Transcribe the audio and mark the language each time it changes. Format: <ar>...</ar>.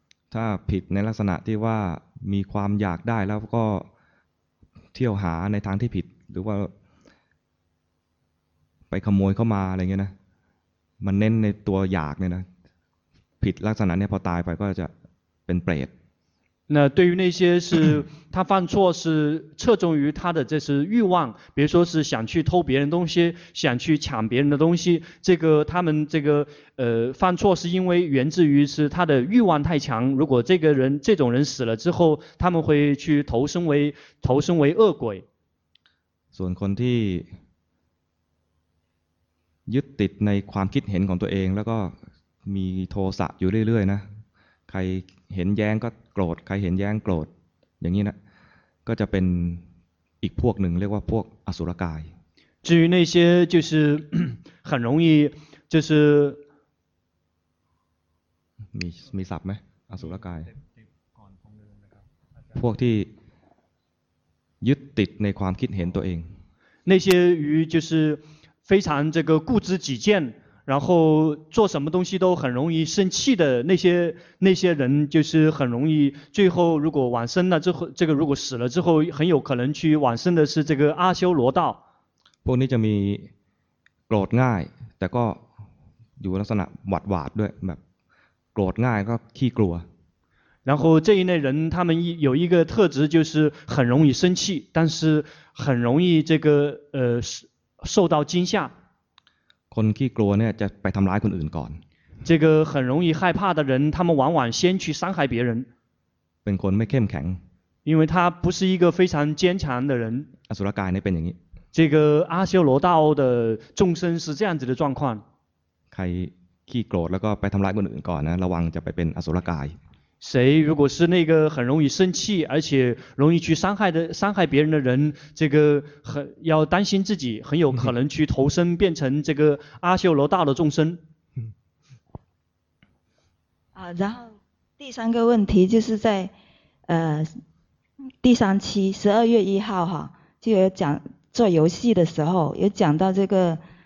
<zh>他</zh> <th>ผิดในลักษณะที่ว่ามีความอยากได้แล้วก็เที่ยวหาในทางที่ผิดหรือว่าไปขโมยเข้ามาอะไรเงี้ยนะมันเน้นในตัวอยากเนี่ยนะผิดลักษณะเนี่ยพอตายไปก็จะเป็นเปรต</th> <zh>那对于那些是他犯错是侧重于他的这是欲望比如说是想去偷别人东西想去抢别人的东西这个他们这个犯错是因为源自于是他的欲望太强如果这个人这种人死了之后他们会去投生为恶鬼</zh> <th>ส่วนคนที่ยึดติดในความคิดเห็นของตัวเองแล้วก็มีโทสะอยู่เรื่อยๆนะใครเห็นแย้งก็โกรธใครเห็นแย้งโกรธอย่างนี้นะก็จะเป็นอีกพวกหนึ่งเรียกว่าพวกอสุรกาย</th> <zh>至于那些就是很容易就是</zh> <th>มีศัพท์ไหมอสุรกายพวกที่ยึดติดในความคิดเห็นตัวเอง</th> <zh>那些于就是非常这个固执己见，然后做什么东西都很容易生气的那些人，就是很容易最后如果往生了之后，这个如果死了之后，很有可能去往生的是这个阿修罗道。</zh> <th>พวกนี้จะมีโกรธง่ายแต่ก็อยู่ลักษณะหวาดหวาดด้วยแบบโกรธง่ายก็ขี้กลัว。</th> <zh>然后这一类人，他们有一个特质就是很容易生气，但是很容易这个受到惊吓</zh> <th>คนขี้กลัวเนี่ยจะไปทำร้ายคนอื่นก่อน</th> <zh>这个很容易害怕的人他们往往先去伤害别人</zh> <th>เป็นคนไม่เข้มแข็ง</th> <zh>因为他不是一个非常坚强的人</zh> <th>อสุรกายเนี่ยเป็นอย่างนี้</th> <zh>这个阿修罗道的众生是这样子的状况</zh> <th>ใครขี้โกรธแล้วก็ไปทำร้ายคนอื่นก่อนนะระวังจะไปเป็นอสุรกาย</th> <zh>谁如果是那个很容易生气而且容易去伤害别人的人这个很要担心自己很有可能去投生变成这个阿修罗道的众生啊然后第三个问题就是在第三期12月1号哈就有讲做游戏的时候有讲到这个</zh>